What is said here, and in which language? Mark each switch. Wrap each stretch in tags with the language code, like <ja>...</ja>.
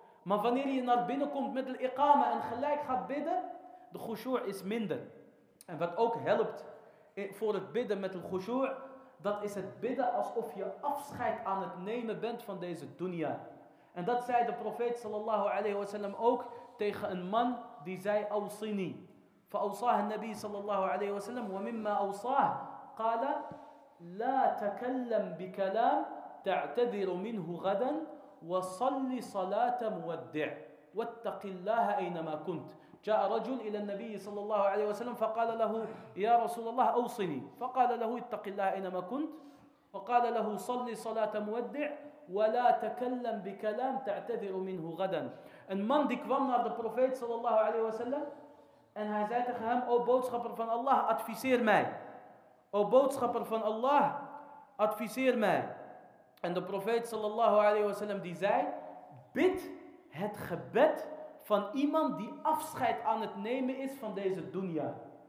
<nl>Maar wanneer je naar binnen komt met de iqama en gelijk gaat bidden, de khushu' is minder. En wat ook helpt voor het bidden met de khushu', dat is het bidden alsof je afscheid aan het nemen bent van deze dunya. En dat zei de profeet sallallahu alayhi wa sallam ook tegen een man die zei, awsini,</nl> <ar>فأوصاه النبي صلى الله عليه وسلم ومما أوصاه قال لا تكلم بكلام تعتذر منه غدا وصلي صلاة مودع واتق الله أينما كنت. جاء رجل إلى النبي صلى الله عليه وسلم فقال له يا رسول الله أوصني، فقال له اتق الله أينما كنت، وقال له صلي صلاة مودع ولا تكلم بكلام تعتذر منه غدا.</ar> <nl>Een man die kwam naar de profeet sallallahu alayhi wa sallam en hij zei tegen hem, o boodschapper van Allah, adviseer mij. O boodschapper van Allah, adviseer mij. En de profeet sallallahu alayhi wa sallam die zei, bid het gebed van iemand die afscheid aan het nemen is van deze dunya.</nl>